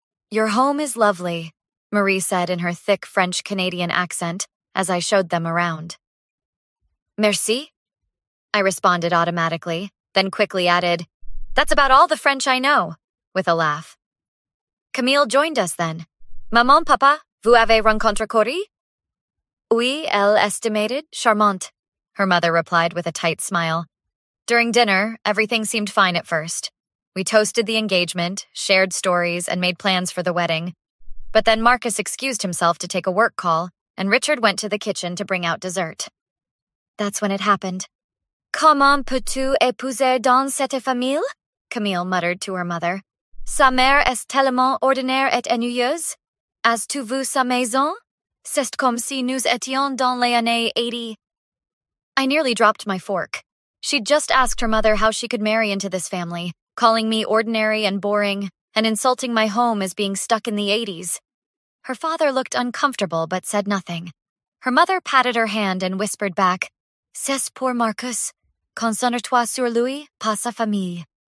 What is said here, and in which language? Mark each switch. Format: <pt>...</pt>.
<en>"Your home is lovely," Marie said in her thick French-Canadian accent as I showed them around. "Merci," I responded automatically, then quickly added, "That's about all the French I know," with a laugh. Camille joined us then.</en> <fr>"Maman, papa, vous avez rencontré Cory?" "Oui, elle estimated, charmante,"</fr> <en>her mother replied with a tight smile. During dinner, everything seemed fine at first. We toasted the engagement, shared stories, and made plans for the wedding. But then Marcus excused himself to take a work call, and Richard went to the kitchen to bring out dessert. That's when it happened.</en> <fr>"Comment peux-tu épouser dans cette famille?"</fr> <en>Camille muttered to her mother.</en> <fr>"Sa mère est tellement ordinaire et ennuyeuse. As tu vu sa maison? C'est comme si nous étions dans les années 80.</fr> <en>I nearly dropped my fork. She'd just asked her mother how she could marry into this family, calling me ordinary and boring, and insulting my home as being stuck in the 80s. Her father looked uncomfortable but said nothing. Her mother patted her hand and whispered back,</en> <fr>"C'est pour Marcus. Concentre-toi sur lui, pas sa famille."</fr>